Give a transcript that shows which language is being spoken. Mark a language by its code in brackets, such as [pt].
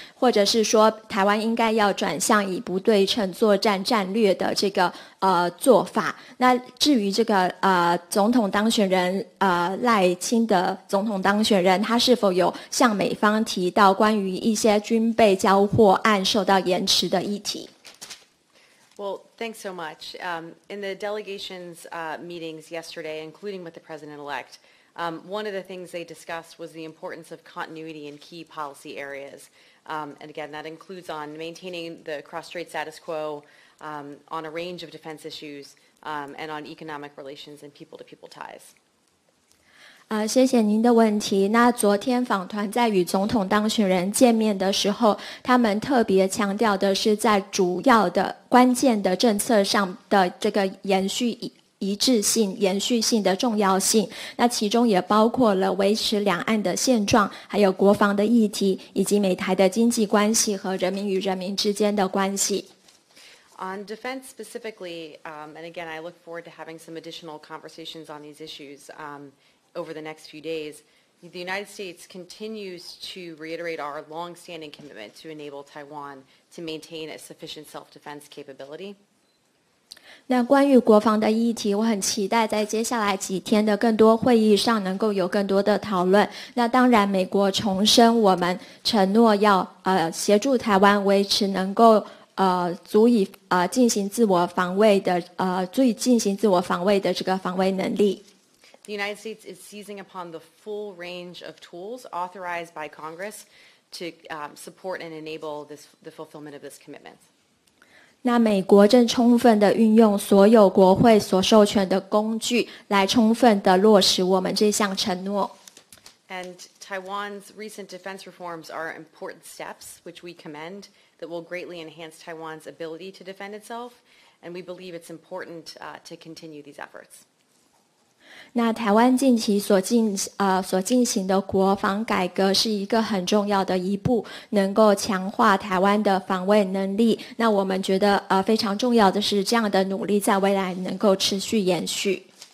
[zh] 或者是说台湾应该要转向以不对称作战战略的这个做法。那至于这个总统当选人赖清德总统当选人，他是否有向美方提到关于一些军备交货案受到延迟的议题？ [en] Well, thanks so much. In the delegation's meetings yesterday, including with the president-elect, one of the things they discussed was the importance of continuity in key policy areas. And again, that includes on maintaining the cross-strait status quo, on a range of defense issues, and on economic relations and people-to-people ties. [zh] 谢谢您的问题。那昨天访团在与总统当选人见面的时候，他们特别强调的是在主要的关键的政策上的这个延续一致性、延续性的重要性，那其中也包括了维持两岸的现状，还有国防的议题，以及美台的经济关系和人民与人民之间的关系。 [en] On defense specifically, and again, I look forward to having some additional conversations on these issues over the next few days. The United States continues to reiterate our long-standing commitment to enable Taiwan to maintain a sufficient self-defense capability. [zh] 那关于国防的议题，我很期待在接下来几天的更多会议上能够有更多的讨论。那当然，美国重申我们承诺要协助台湾维持能够足以进行自我防卫的足以进行自我防卫的这个防卫能力。 [en] The United States is seizing upon the full range of tools authorized by Congress to support and enable this the fulfillment of this commitment. [zh] 那美国正充分地运用所有国会所授权的工具来充分地落实我们这项承诺。 [en] And Taiwan's recent defense reforms are important steps, which we commend, that will greatly enhance Taiwan's ability to defend itself, and we believe it's important to continue these efforts. [zh] 那台湾近期所进行的国防改革是一个很重要的一步，能够强化台湾的防卫能力。那我们觉得非常重要的是这样的努力在未来能够持续延续。